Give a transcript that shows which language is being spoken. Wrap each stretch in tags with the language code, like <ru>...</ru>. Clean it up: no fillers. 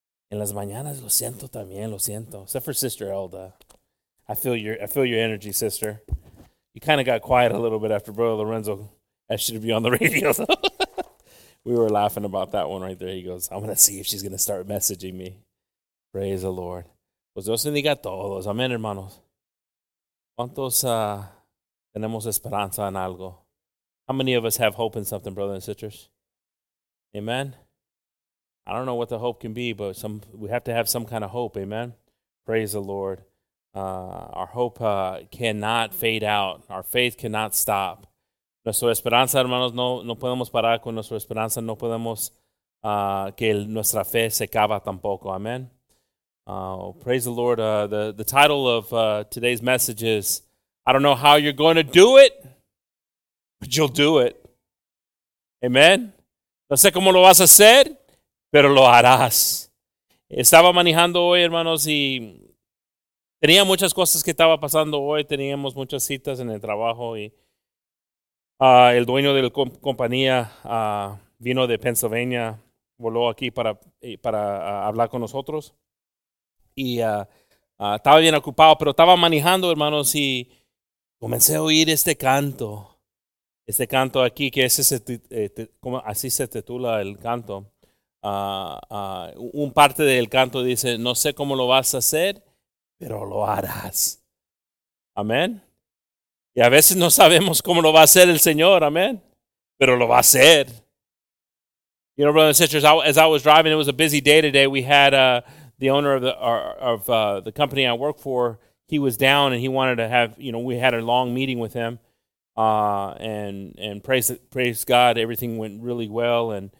<es>En las mañanas, lo siento también, lo siento.</es> <en>Except for Sister Elda. I feel your energy, sister. You kind of got quiet a little bit after Brother Lorenzo asked you to be on the radio. We were laughing about that one right there. He goes, I'm going to see if she's going to start messaging me. Praise the Lord.</en> <es>Pues Dios bendiga a todos. Amén, hermanos. ¿Cuántos tenemos esperanza en algo?</es> <en>How many of us have hope in something, brothers and sisters? Amen. I don't know what the hope can be, but we have to have some kind of hope. Amen. Praise the Lord. Our hope cannot fade out. Our faith cannot stop.</en> <es>Nuestra esperanza, hermanos, no podemos parar con nuestra esperanza. No podemos que nuestra fe se acabe tampoco.</es> <en>Amen. Praise the Lord. The title of today's message is, I don't know how you're going to do it, but you'll do it. Amen.</en> <es>No sé cómo lo vas a hacer, pero lo harás. Estaba manejando hoy, hermanos, y tenía muchas cosas que estaba pasando hoy. Teníamos muchas citas en el trabajo y el dueño de la compañía vino de Pennsylvania, voló aquí para hablar con nosotros. Y estaba bien ocupado, pero estaba manejando, hermanos, y comencé a oír este canto. Este canto aquí, que es ese, como así se titula el canto. Un parte del canto dice, no sé cómo lo vas a hacer, pero lo harás. Amén. Y a veces no sabemos cómo lo va a hacer el Señor, amén. Pero lo va a hacer.</es> <en>You know, brothers and sisters, as I was driving, it was a busy day today. We had the owner of the company I work for. He was down and he wanted to have, you know, we had a long meeting with him. And praise God, everything went really well.</en>